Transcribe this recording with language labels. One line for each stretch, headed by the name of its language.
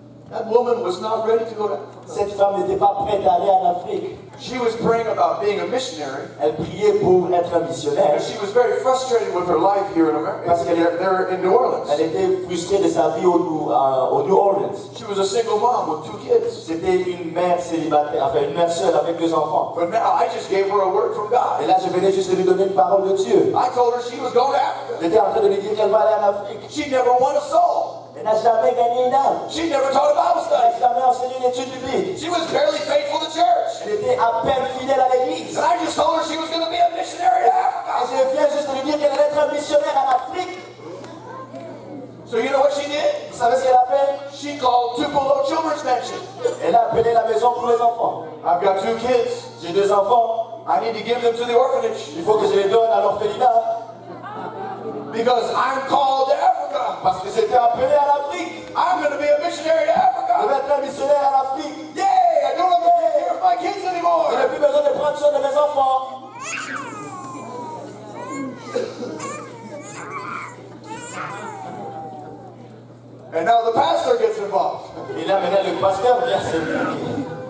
English: That woman was not ready to go to Africa.
French: Cette femme n'était pas prête d'aller en Afrique.
English: She was praying about being a missionary.
French: Elle priait pour être un missionnaire.
English: She was very frustrated with her life here in America.
French: Parce qu'elle était
English: there in New Orleans.
French: Elle était frustrée de sa vie au New Orleans.
English: She was a single mom with two kids.
French: C'était une mère célibataire, enfin une mère seule avec deux enfants.
English: But now I just gave her a word from God.
French: Et là, je venais juste de lui donner une parole de Dieu.
English: I told her she was going to Africa.
French: J'étais en train de lui dire qu'elle va aller en Afrique.
English: She never won a soul.
French: Elle n'a jamais gagné une âme.
English: She never taught a Bible study.
French: Elle n'a jamais enseigné une étude biblique.
English: She was barely faithful to church.
French: Elle était à peine fidèle à l'église.
English: And I just told her she was going to be a missionary in Africa.
French: Et je viens juste de lui dire qu'elle allait être un missionnaire en Afrique.
English: So you know what she did?
French: Vous savez ce qu'elle a fait?
English: She called Tupelo Children's Mansion.
French: Elle a appelé la maison pour les enfants.
English: I've got two kids.
French: J'ai deux enfants.
English: I need to give them to the orphanage.
French: Il faut que je les donne à l'orphelinat.
English: Because I'm called to Africa.
French: Parce que j'étais appelé à l'Afrique.
English: I'm going to be a missionary to Africa.
French: Je vais être un missionnaire en Afrique.
English: Yay! I don't have to take care of my kids anymore.
French: Je n'ai plus besoin de prendre soin de mes enfants.
English: And now the pastor gets involved.
French: Et là maintenant le pasteur vient se mêler.